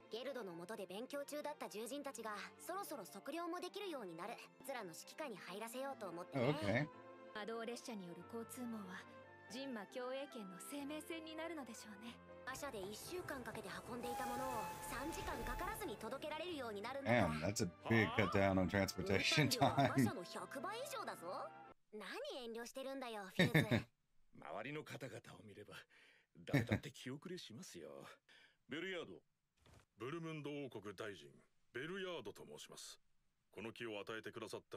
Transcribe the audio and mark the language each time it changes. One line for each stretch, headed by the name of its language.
Japanese: ゲルドの元で勉強中だった獣人たちがそろそろ測量もできるようになる。ズラの指揮下に入らせようと思ってね。
English: Oh, okay.
Japanese: 魔導列車による交通網はジンマ共栄圏の生命線になるのでしょうね。馬車で1週間かけて運んでいたものを3時間かからずに届けられるようになるのだ。
English: Damn, that's a big cut down on transportation time.
Japanese: 運搬量は馬車の 100倍以上だぞ。何遠慮してるんだよ、フィーズ。周りの方々を見れば誰だって気遅れしますよ。ベルヤード、ブルムンド王国大臣ベルヤードと申します。この木を与えてくださった。